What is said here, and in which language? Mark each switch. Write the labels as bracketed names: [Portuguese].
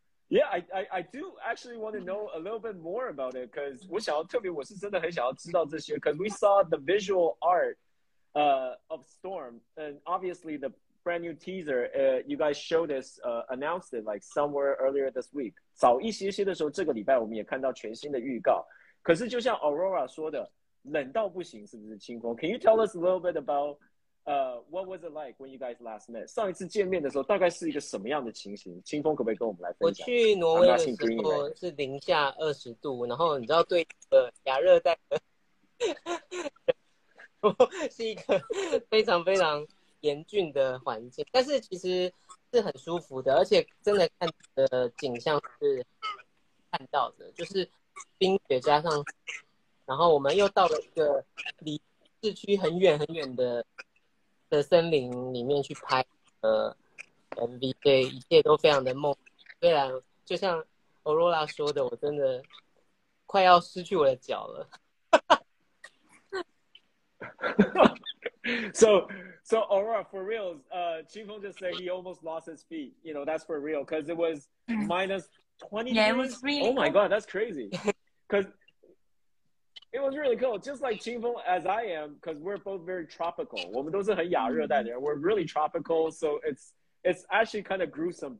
[English] Yeah, I do actually want to know a little bit more about it, because [Chinese] 我想要特别，我是真的很想要知道这些, [English] because we saw the visual art of Storm, and obviously the brand new teaser, you guys showed us, announced it like somewhere earlier this week. [Chinese] 早一些些的时候，这个礼拜我们也看到全新的预告。可是就像Aurora说的，冷到不行，是不是清风？ [English] Can you tell us a little bit about What was it like when you guys last met? [Chinese] 上一次见面的时候大概是一个什么样的情形?清风可不可以跟我们来分享?我去挪威的时候是零下20度, 然后你知道对亚热带是一个非常非常严峻的环境, 但是其实是很舒服的, 而且真的看的景象是看到的, 就是冰雪加上, 然后我们又到了一个离市区很远很远的 的森林里面去拍 MV, 一切都非常的梦，虽然就像 Aurora 说的，我真的快要失去我的脚了。 [English] So Aurora, for real, Qingfeng just said he almost lost his feet. You know, that's for real, because it was minus 20 degrees. Yeah, it was really cold. Oh my god, that's crazy. Because it was really cold, just like Qingfeng as I am, because we're both very tropical. We're really tropical, so it's actually kind of gruesome.